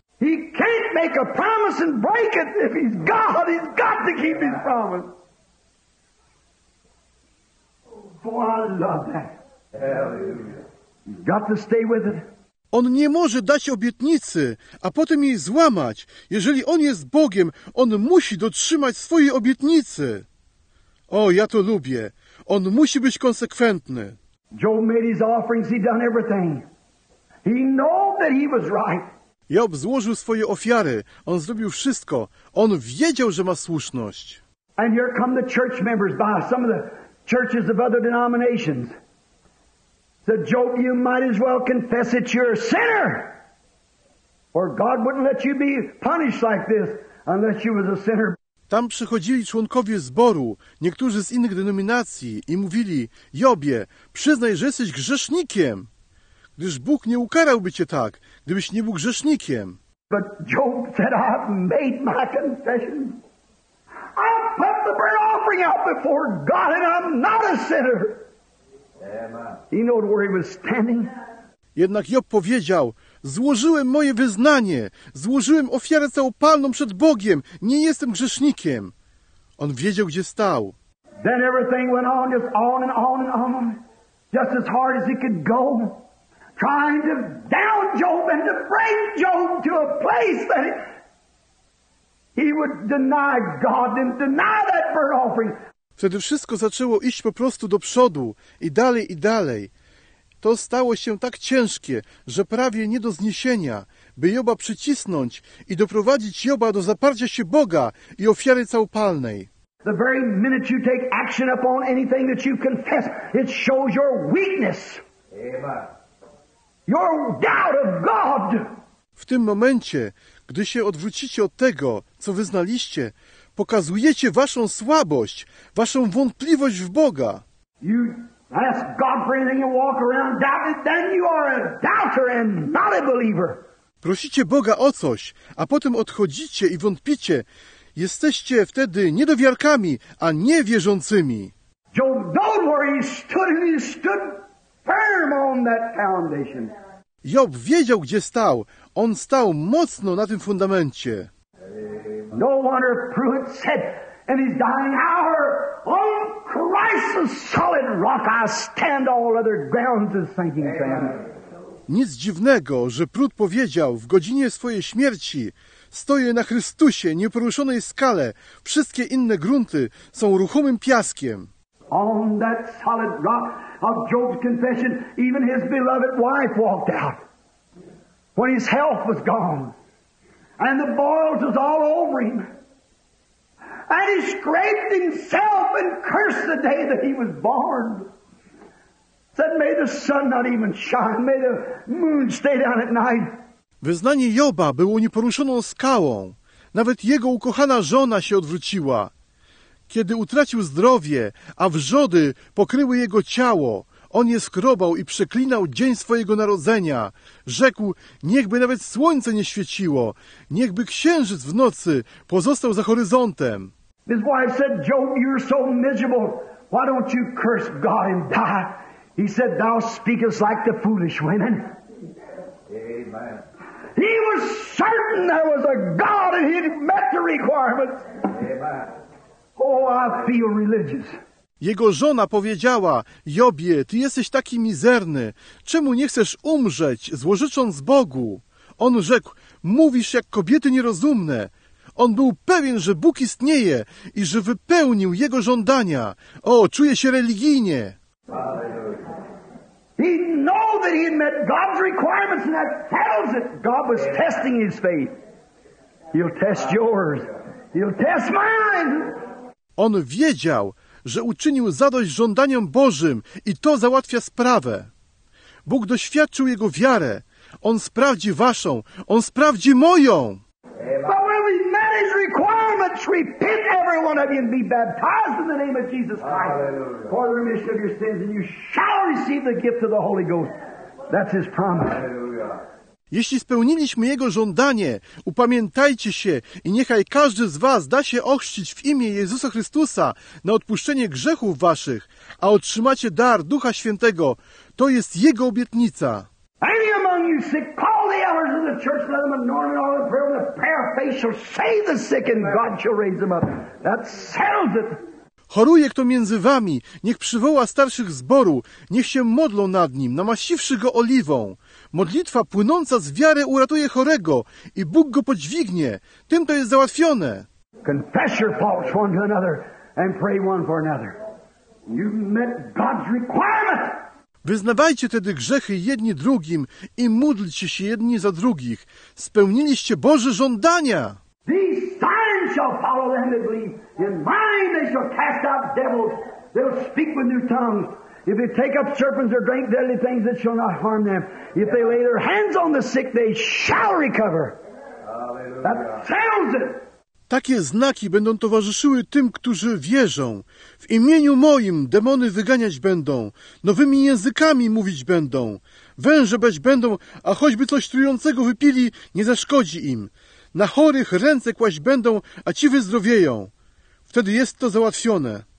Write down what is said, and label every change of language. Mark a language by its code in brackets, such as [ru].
[en] He can't make a promise and break it. If He's God, He's got to keep His promise. Oh, I love that. Hallelujah. He's got to stay with it. [pl] On nie może dać obietnicy, a potem jej złamać. Jeżeli On jest Bogiem, On musi dotrzymać swojej obietnicy. O, ja to lubię. On musi być konsekwentny. [en] Job made his offerings, he done everything. He knew that he was right. [pl] Job złożył swoje ofiary. On zrobił wszystko. On wiedział, że ma słuszność. [en] And here come the church members by some of the churches of other denominations. Said, Job, you might as well confess that you're a sinner. Or God wouldn't let you be punished like this unless you was a sinner. [pl] Tam przychodzili członkowie zboru, niektórzy z innych denominacji i mówili, Jobie, przyznaj, że jesteś grzesznikiem, gdyż Bóg nie ukarałby cię tak, gdybyś nie był grzesznikiem. [en] But Job said, I've made my confession. I've put the burnt offering out before God and I'm not a sinner. Amen. He knew where he was standing. [pl] Jednak Job powiedział, Złożyłem moje wyznanie. Złożyłem ofiarę całopalną przed Bogiem. Nie jestem grzesznikiem. On wiedział, gdzie stał. [en] Then everything went on, just on and on and on. Just as hard as it could go. Trying to down Job and to bring Job to a place that he would deny God and deny that burnt offering. [pl] Wtedy wszystko zaczęło iść po prostu do przodu i dalej, to stało się tak ciężkie, że prawie nie do zniesienia, by Joba przycisnąć i doprowadzić Joba do zaparcia się Boga i ofiary całopalnej. [en] The very minute you take action upon anything that you confess, it shows your weakness. Amen. Your doubt of God. [pl] W tym momencie, gdy się odwrócicie od tego, co wyznaliście, pokazujecie waszą słabość, waszą wątpliwość w Boga. [en] You ask God for anything, you walk around doubting, then you are a doubter and not a believer. [pl] Prosicie Boga o coś, a potem odchodzicie i wątpicie. Jesteście wtedy niedowiarkami, a nie wierzącymi. [en] Job, don't worry, he stood firm on that foundation. [pl] Job wiedział, gdzie stał. On stał mocno na tym fundamencie. [en] No wonder Pruitt said, in his dying hour, on Christ's solid rock I stand, all other grounds is sinking sand. Nic dziwnego, że Pruitt powiedział w godzinie swojej śmierci, stoję na Chrystusie, nieporuszonej skale, wszystkie inne grunty są ruchomym piaskiem. On that solid rock of Job's confession, even his beloved wife walked out when his health was gone. And the boils was all over him. And he scraped himself and cursed the day that he was born. Said, may the sun not even shine, may the moon stay down at night. [pl] Wyznanie Joba było nieporuszoną skałą. Nawet jego ukochana żona się odwróciła. Kiedy utracił zdrowie, a wrzody pokryły jego ciało, on je skrobał i przeklinał dzień swojego narodzenia. Rzekł, niechby nawet słońce nie świeciło, niechby księżyc w nocy pozostał za horyzontem. [en] His wife said, Job, you're so miserable. Why don't you curse God and die? He said, thou speakest like the foolish women. Amen. He was certain there was a God and he met the requirements. Amen. Oh, I feel religious. [pl] Jego żona powiedziała, Jobie, ty jesteś taki mizerny. Czemu nie chcesz umrzeć, złorzecząc Bogu? On rzekł, mówisz jak kobiety nierozumne. On był pewien, że Bóg istnieje i że wypełnił jego żądania. O, czuję się religijnie. [en] He knew that he had met God's requirements and that tells it. God was testing his faith. He'll test yours. He'll test mine. [pl] On wiedział, że uczynił zadość żądaniom Bożym i to załatwia sprawę. Bóg doświadczył jego wiarę. On sprawdzi waszą. On sprawdzi moją. [en] But when we met his requirements, repent every one of you and be baptized in the name of Jesus Christ. Hallelujah. For the remission of your sins and you shall receive the gift of the Holy Ghost. That's his promise. Hallelujah. [pl] Jeśli spełniliśmy Jego żądanie, upamiętajcie się i niechaj każdy z was da się ochrzcić w imię Jezusa Chrystusa na odpuszczenie grzechów waszych, a otrzymacie dar Ducha Świętego. To jest Jego obietnica. [en] Any among you sick, call the elders of the church, let them anoint in all the prayer, and the prayer of faith shall save the sick, and God shall raise them up. That settles it. [pl] Choruje kto między wami, niech przywoła starszych zboru, niech się modlą nad nim, namaściwszy go oliwą. Modlitwa płynąca z wiary uratuje chorego i Bóg go podźwignie. Tym to jest załatwione. [en] Confess your faults one to another and pray one for another. You met God's requirement. [pl] Wyznawajcie tedy grzechy jedni drugim i módlcie się jedni za drugich. Spełniliście Boże żądania. [en] These signs shall follow them that believe. In my name they shall cast out devils. They'll speak with new tongues. If they take up serpents or drink deadly things, it shall not harm them. If they lay their hands on the sick, they shall recover. That settles it. [pl] Takie znaki będą towarzyszyły tym, którzy wierzą. W imieniu moim demony wyganiać będą, nowymi językami mówić będą, węże brać będą, a choćby coś trującego wypili, nie zaszkodzi im. Na chorych ręce kłaść będą, a ci wyzdrowieją. Wtedy jest to załatwione.